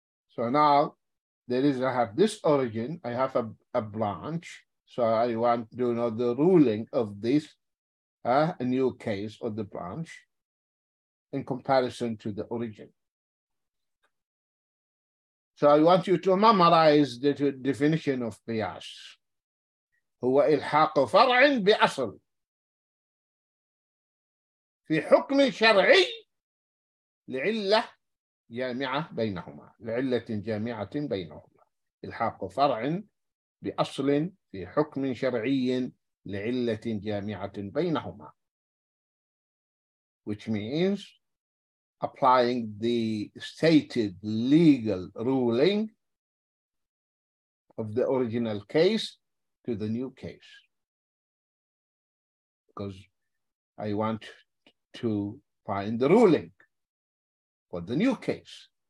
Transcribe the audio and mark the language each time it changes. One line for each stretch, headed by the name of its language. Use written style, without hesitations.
English: So now I have this origin, I have a branch. So I want to know the ruling of this new case of the branch in comparison to the origin. So I want you to memorize the definition of qiyas.
Arabic: هو إلحاق فرع بأصل في حكم شرعي لعلة جامعة بينهما، لعلة جامعة بينهما، إلحاق فرع بأصل في حكم شرعي لعلة جامعة بينهما.
English: Which means applying the stated legal ruling of the original case to the new case. Because I want to find the ruling for the new case.